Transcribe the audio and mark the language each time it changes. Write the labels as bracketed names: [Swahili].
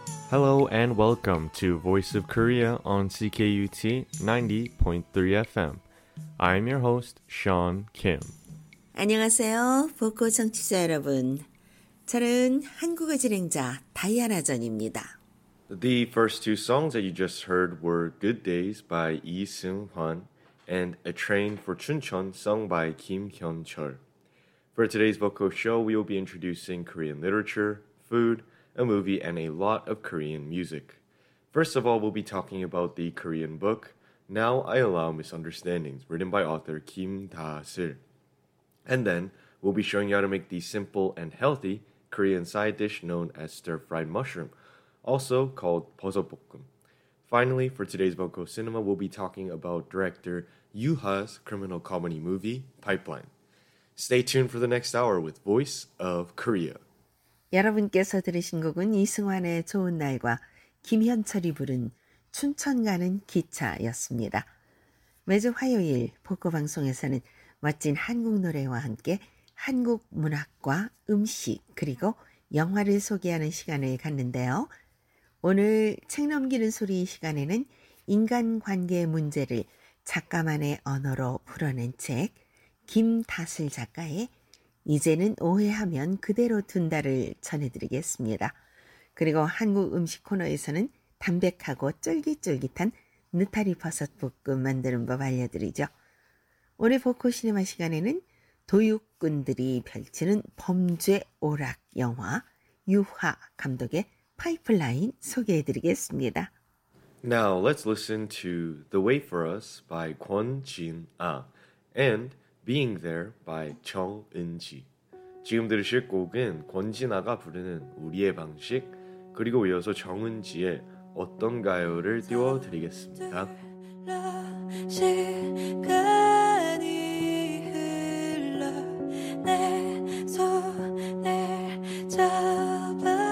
[English] Hello and welcome to Voice of Korea on CKUT 90.3 FM. I'm your host, Sean Kim. [Korean] 안녕하세요, 보코 청취자 여러분. 저는 한국어 진행자 다이아나 전입니다. [English] The first two songs that you just heard were Good Days by Lee Seung-hwan and A Train for Chuncheon sung by Kim Hyun-chul. For today's Voco show, we will be introducing Korean literature, food, a movie, and a lot of Korean music. First of all, we'll be talking about the Korean book, Now I Allow Misunderstandings, written by author Kim Da-sil. And then, we'll be showing you how to make the simple and healthy Korean side dish known as stir-fried mushroom, also called 버섯볶음. Finally, for today's Voco Cinema, we'll be talking about director Yuha's criminal comedy movie, Pipeline. Stay tuned for the next hour with Voice of Korea. [Korean] 여러분께서 들으신 곡은 이승환의 좋은 날과 김현철이 부른 춘천 가는 기차였습니다. 매주 화요일 복고방송에서는 멋진 한국 노래와 함께 한국 문학과 음식 그리고 영화를 소개하는 시간을 갖는데요. 오늘 책 넘기는 소리 시간에는 인간관계 문제를 작가만의 언어로 풀어낸 책 김다슬 작가의 이제는 오해하면 그대로 둔다를 전해드리겠습니다. 그리고 한국 음식 코너에서는 담백하고 쫄깃쫄깃한 느타리 버섯 볶음 만드는 법 알려드리죠. 올해 보코 시네마 시간에는 도육꾼들이 펼치는 범죄 오락 영화 유화 감독의 파이프라인 소개해드리겠습니다. [English] Now let's listen to The Way for Us by Kwon Jin-a and Being There by 정은지. [Korean] 지금 들으실 곡은 권진아가 부르는 우리의 방식 그리고 이어서 정은지의 어떤가요를 띄워드리겠습니다. 시간이 흘러 내 손을 잡아